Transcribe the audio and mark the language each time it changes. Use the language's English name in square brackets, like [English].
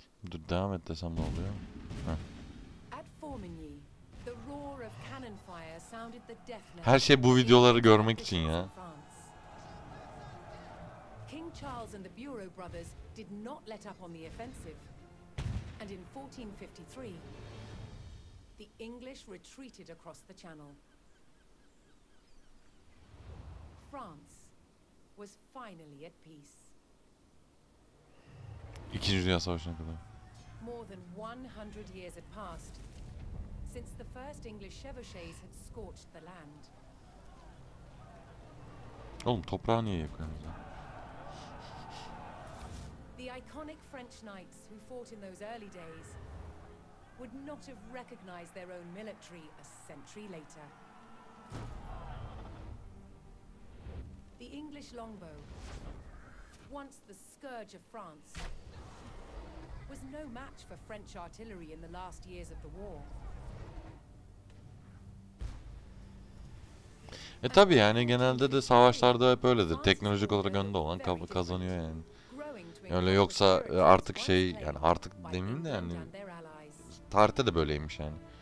[Turkish] Dur, devam et desem ne oluyor? [English] At Formigny, the roar of cannon fire sounded the death knell. [Turkish] Her şey bu videoları görmek için ya. [English] King Charles and the Bureau brothers did not let up on the offensive, and in 1453, the English retreated across the Channel, France was finally at peace. [Turkish] İkinci Dünya Savaşı'na kadar. [English] More than 100 years had passed since the first English chevauchés had scorched the land. [Turkish] Oğlum toprağı niye yakıyorsunuz? [English] The iconic French knights who fought in those early days would not have recognized their own military a century later. The English longbow, once the scourge of France, was no match for French artillery in the last years of the war. [Turkish] E tabii yani genelde de savaşlarda hep öyledir. Teknolojik olarak önde olan kazanıyor yani. Öyle yoksa artık şey yani artık demeyeyim de yani tarihte de böyleymiş yani.